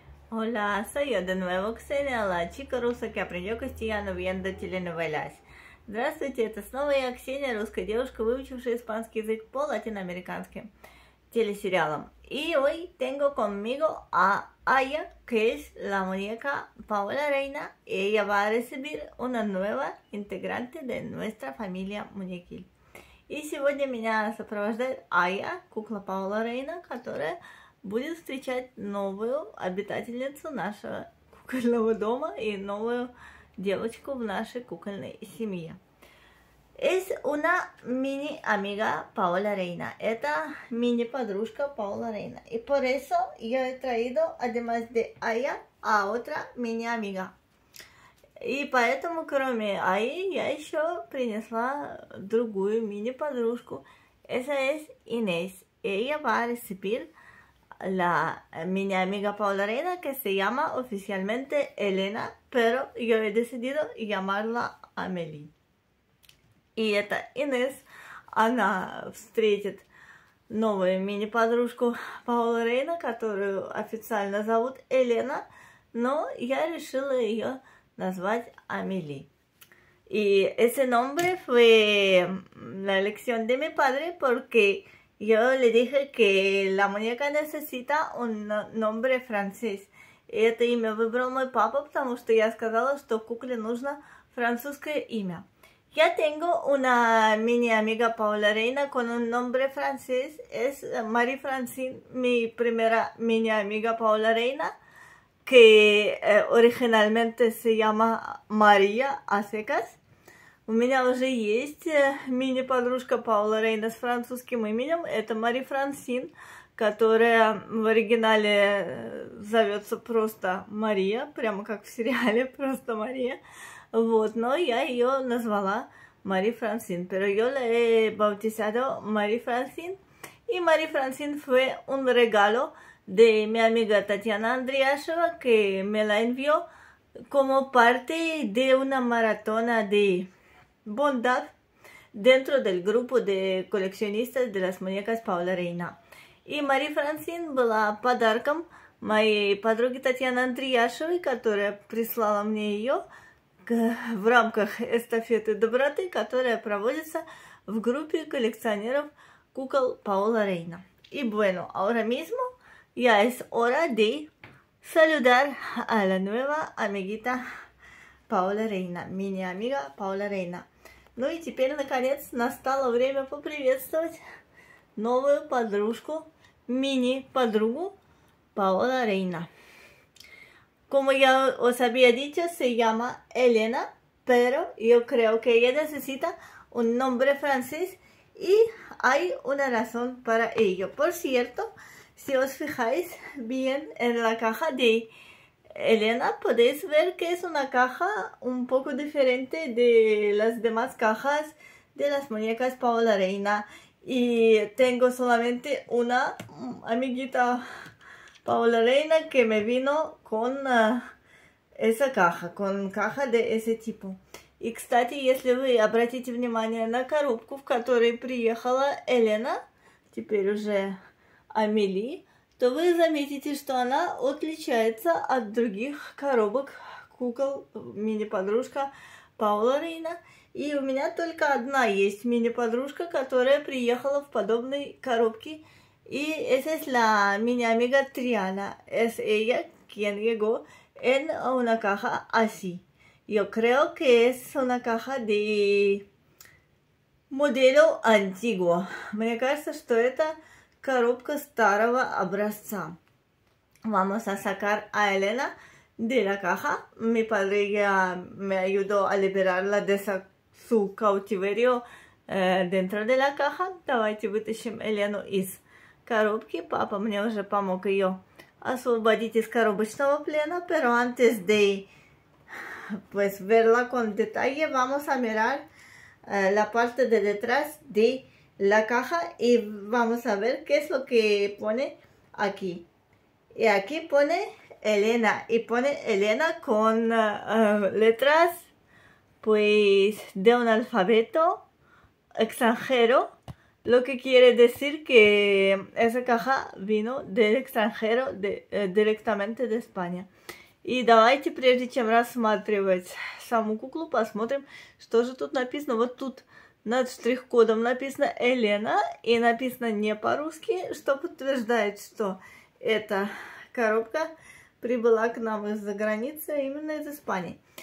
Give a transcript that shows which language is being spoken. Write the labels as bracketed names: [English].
[Spanish] Hola, soy yo de nuevo, Ксения, la chica rusa que aprendió castellano viendo telenovelas. [Russian] Здравствуйте, это снова я, Ксения, русская девушка, выучившая испанский язык по латиноамериканским телесериалам. И [Spanish] hoy tengo conmigo a Aya, que es la muñeca Paola Reina, y ella va a recibir una nueva integrante de nuestra familia Muñequil. [Russian] И сегодня меня сопровождает Aya, кукла Паола Рейна, которая будет встречать новую обитательницу нашего кукольного дома и новую девочку в нашей кукольной семье. [Spanish] Es una mini amiga Paola Reina. [Russian] Это мини-подружка Паола Рейна. И [Spanish] por eso yo he traído, además de Aya, a otra mini amiga. [Russian] И поэтому, кроме Аи, я еще принесла другую мини-подружку. [Spanish] Esa es Inés. Ella va a recibir la mini amiga Paola Reina, que se llama oficialmente Elena, pero yo he decidido llamarla Amelie. [Russian] И это Инес, она встретит новую мини-подружку Паола Рейна, которую официально зовут Елена, но я решила ее назвать Амели. И [Spanish] ese nombre fue la elección de mi padre porque yo le dije que la muñeca necesita un nombre francés. [Russian] И это имя выбрал мой папа, потому что я сказала, что кукле нужно французское имя. Я [Spanish] tengo una mini amiga Paola Reina con un nombre francés. Es Marie-Francine, mi primera mini amiga Paola Reina, que originalmente se llama María a secas. [Russian] У меня уже есть мини-подружка Паола Рейна с французским именем. Это Мари-Франсин, которая в оригинале зовется просто Мария, прямо как в сериале, просто Мария. Вот, но я ее назвала Мари-Франсин. [Spanish] Pero yo la he bautizado Мари-Франсин. [Russian] И [Spanish] Мари-Франсин fue un regalo de mi amiga Татьяна Андреашева, que me la envió como parte de una maratona de bondad dentro del grupo de coleccionistas de las muñecas Paola Reina. Y [Russian] Мари-Франсин была подарком моей подруги Татьяны Андреашевой, которая прислала мне ее в рамках эстафеты доброты, которая проводится в группе коллекционеров кукол Паола Рейна. И [Spanish] bueno, ahora mismo ya es hora de saludar a la nueva amiguita Paola Reina, mini amiga Paola Reina. [Russian] Ну и теперь, наконец, настало время поприветствовать новую подружку, мини-подругу Паола Рейна. [Spanish] Como ya os había dicho, se llama Elena, pero yo creo que ella necesita un nombre francés y hay una razón para ello. Por cierto, si os fijáis bien en la caja de Elena, podéis ver que es una caja un poco diferente de las demás cajas de las muñecas Paola Reina. Y tengo solamente una amiguita Paola Reina que me vino con esa caja, con caja de ese tipo. Y, [Russian] кстати, если вы обратите внимание на коробку, в которой приехала Elena, теперь уже Амели, то вы заметите, что она отличается от других коробок кукол мини-подружка Паола Рейна. И у меня только одна есть мини-подружка, которая приехала в подобной коробке. И [Spanish] esa es la mini amiga Triana. Es ella quien llegó en una caja así. Yo creo que es una caja de modelo antiguo. [Russian] Мне кажется, что это коробка старого образца. [Spanish] Vamos a sacar a Elena de la caja. Mi padre ya me ayudó a liberarla de esa, su cautiverio dentro de la caja. [Russian] Давайте вытащим Елену из коробки. Папа мне уже помог ее освободить из коробочного плена. [Spanish] Pero antes de pues verla con detalle, vamos a mirar la parte de detrás de la caja y vamos a ver qué es lo que pone aquí. Y aquí pone Elena, y pone Elena con letras pues de un alfabeto extranjero, Lo que quiere decir que esa caja vino del extranjero, directamente de España. [Russian] И давайте, прежде чем рассматривать саму куклу, посмотрим, что же тут написано. Вот тут над штрих-кодом написано «Элена» и написано не по-русски, что подтверждает, что эта коробка прибыла к нам из-за границы, а именно из Испании.